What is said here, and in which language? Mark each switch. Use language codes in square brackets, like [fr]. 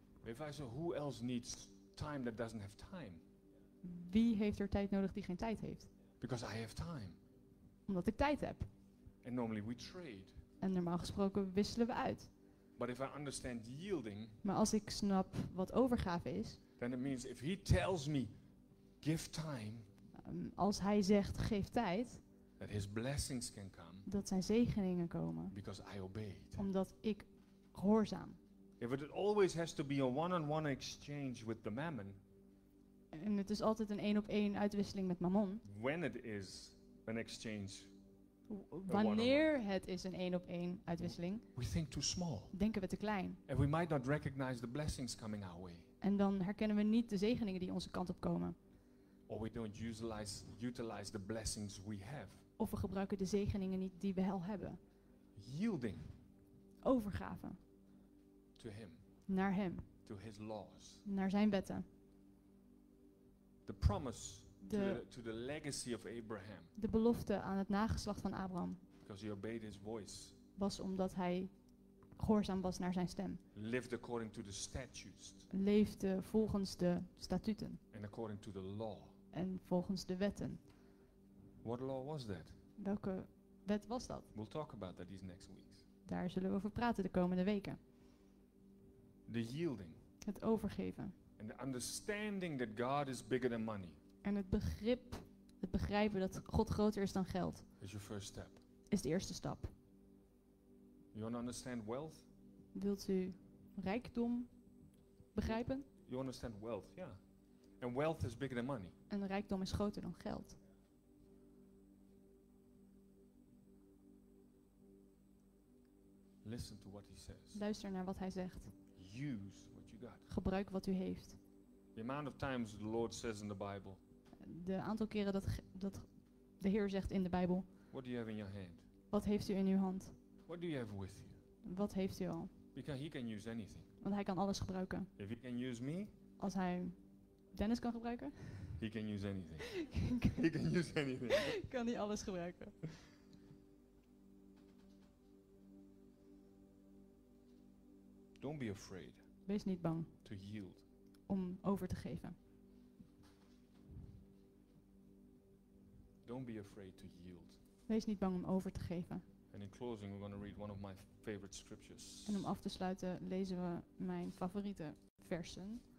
[en] If I say, who else needs time that doesn't have time? [nl] Wie heeft er tijd nodig die geen tijd heeft? [en] Because I have time. [nl] Omdat ik tijd heb. [en] And normally we trade. [nl] En normaal gesproken wisselen we uit. [en] But if I understand yielding, [nl] maar als ik snap wat overgave is. [en] Then it means if he tells me, give time. [nl] Als hij zegt, geef tijd. [en] That his blessings can come. [nl] Dat zijn zegeningen komen. [en] Because I obeyed. [nl] Omdat ik gehoorzaam. [en] If it always has to be a one-on-one exchange with the mammon. [nl] En het is altijd een één-op-één uitwisseling met mammon. [en] When it is an exchange. [nl] Wanneer het is een één-op-één uitwisseling. [en] We think too small. [nl] Denken we te klein. [en] And we might not recognize the blessings coming our way. [nl] En dan herkennen we niet de zegeningen die onze kant op komen. [en] Or we don't utilize the blessings we have. [nl] Of we gebruiken de zegeningen niet die we al hebben. [en] Yielding. [nl] Overgave. [en] To him. [nl] Naar hem. [en] To his laws. [nl] Naar zijn wetten. [en] The promise to the legacy of Abraham. [nl] De belofte aan het nageslacht van Abraham. [en] Because he obeyed his voice. [nl] Was omdat hij gehoorzaam was naar zijn stem. [en] Lived according to the statutes. [nl] Leefde volgens de statuten. [en] And according to the law. [nl] En volgens de wetten. [en] What law was that? [nl] Welke wet was dat? [en] We'll talk about that these next weeks. [nl] Daar zullen we over praten de komende weken. [en] The yielding. [nl] Het overgeven. [en] And the understanding that God is bigger than money. [nl] En het begrijpen dat God groter is dan geld. [en] Is your first step. [nl] Is de eerste stap. [en] You want to understand wealth? [nl] Wilt u rijkdom begrijpen? [en] You understand wealth, yeah. And wealth is bigger than money. [nl] En rijkdom is groter dan geld. [en] Listen to what he says. [nl] Luister naar wat hij zegt. [en] Use what you got. [nl] Gebruik wat u heeft. [en] The amount of times the Lord says in the Bible. [nl] De aantal keren dat de Heer zegt in de Bijbel. [en] What do you have in your hand? [nl] Wat heeft u in uw hand? [en] What do you have with you? [nl] Wat heeft u al? [en] Because he can use anything. [nl] Want hij kan alles gebruiken. [en] If he can use me, [nl] als hij Dennis kan gebruiken. [en] He can use anything. He can use anything. [nl] Kan hij alles gebruiken. [en] Don't be afraid. [nl] Wees niet bang. [en] To yield. [nl] Om over te geven. [en] Don't be afraid to yield. [nl] Wees niet bang om over te geven. [en] And in closing, we're going to read one of my favorite scriptures. [nl] En om af te sluiten lezen we mijn favoriete versen.